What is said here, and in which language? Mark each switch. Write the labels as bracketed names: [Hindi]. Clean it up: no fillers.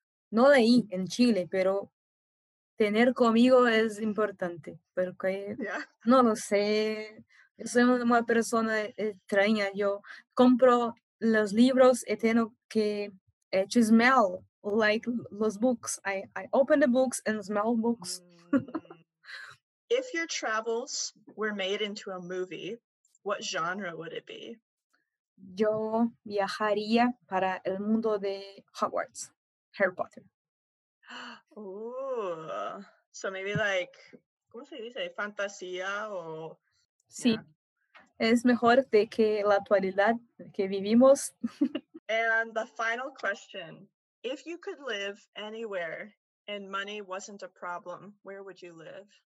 [Spanish] No leí en Chile, pero tener conmigo es importante, porque no lo sé. Yo soy una persona extraña. Yo compro los libros y tengo que [English] smell like [Spanish] los books. [English] I open the books and smell books. If your travels were made into a movie, what genre would it be? [Spanish] Yo viajaría para el mundo de Hogwarts, Harry Potter. [English] Ooh, so maybe like, [Spanish] ¿cómo se dice? Fantasía o... Sí, es mejor de que la actualidad que vivimos. [English] And the final question, if you could live anywhere and money wasn't a problem, where would you live?